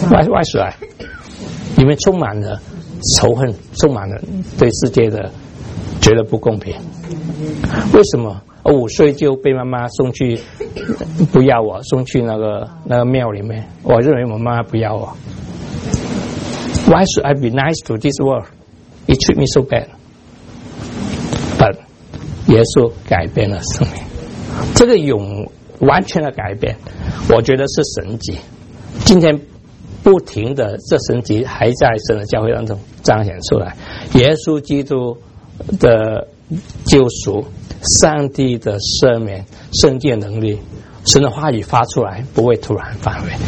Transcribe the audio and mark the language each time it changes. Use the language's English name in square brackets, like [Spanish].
[Chinese] 外出来，里面充满了仇恨，充满了对世界的觉得不公平。为什么我五岁就被妈妈送去，不要我送去那个庙里面？我认为我妈妈不要我。 [English] Why should I be nice to this world? It treat me so bad. But [Chinese] 耶稣改变了生命，这个永完全的改变，我觉得是神迹。今天。不停的，这神迹还在神的教会当中彰显出来。耶稣基督的救赎，上帝的赦免，圣洁能力，神的话语发出来不会突然反悔。